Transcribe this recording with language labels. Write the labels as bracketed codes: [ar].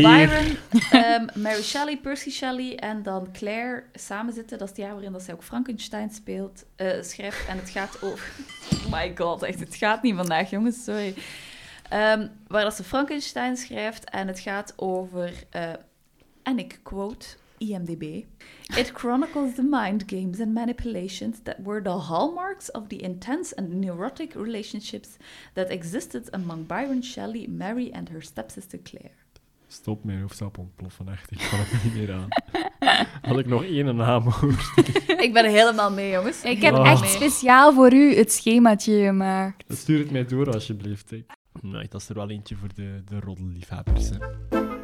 [nl] Lord Byron, Mary Shelley, Percy Shelley en dan Claire samen zitten. Dat is het jaar waarin dat zij ook Frankenstein speelt, schrijft. En het gaat over... [en] Oh my god, [nl] echt. Het gaat niet vandaag, jongens. Sorry. Waar dat ze Frankenstein schrijft en het gaat over... en ik quote... IMDb. [en] It chronicles the mind games and manipulations that were the hallmarks of the intense and neurotic relationships that existed among Byron Shelley, Mary and her stepsister Claire. [nl] Stop, mijn hoofd zal ontploffen, echt. Ik kan het niet meer aan. Had ik nog één naam hoor. Ik ben helemaal mee, jongens. Ik heb echt speciaal voor u het schemaatje gemaakt. Stuur het mij door, alsjeblieft. Nee, dat is er wel eentje voor de roddelliefhebbers. Hè.